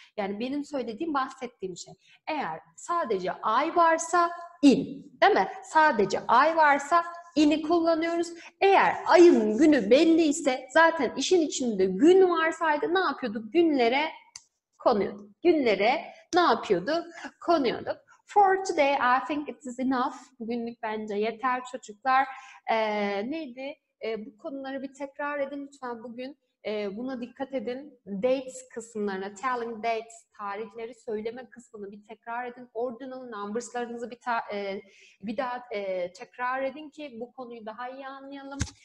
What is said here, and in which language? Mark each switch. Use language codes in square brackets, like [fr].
[tr] Yani benim söylediğim, bahsettiğim şey. Eğer sadece I varsa in, değil mi? Sadece I varsa in'i kullanıyoruz. Eğer ayın günü belli ise, zaten işin içinde gün varsaydı ne yapıyorduk? Günlere konuyorduk. Günlere ne yapıyorduk? Konuyorduk. [en] For today I think it is enough. [tr] Bugünlük bence yeter çocuklar. Neydi? Bu konuları bir tekrar edin lütfen bugün. Buna dikkat edin. Dates kısımlarına, telling dates, tarihleri söyleme kısmını bir tekrar edin. Ordinal numberslarınızı bir daha tekrar edin ki bu konuyu daha iyi anlayalım.